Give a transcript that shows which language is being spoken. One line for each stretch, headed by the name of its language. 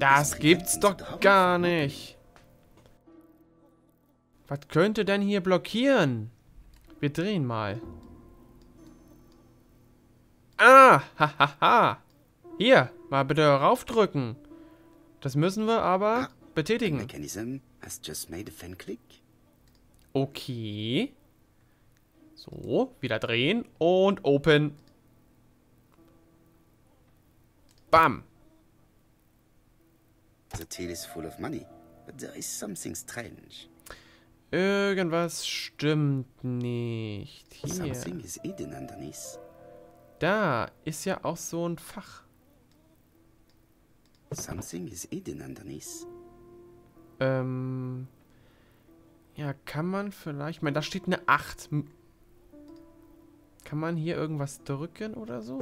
German: Das gibt's doch gar nicht. Was könnte denn hier blockieren? Wir drehen mal. Ah, hahaha. Hier, mal bitte raufdrücken. Das müssen wir aber betätigen.
English: Mechanism has just made a fan click. Okay.
German: So, wieder drehen und open. Bam.
English: The till is full of money, but there is something strange.
German: Irgendwas stimmt nicht hier.
English: Something is hidden underneath.
German: Da ist ja auch so ein Fach.
English: Something is hidden underneath.
German: Ja, kann man vielleicht... Ich meine, da steht eine 8. Kann man hier irgendwas drücken oder so?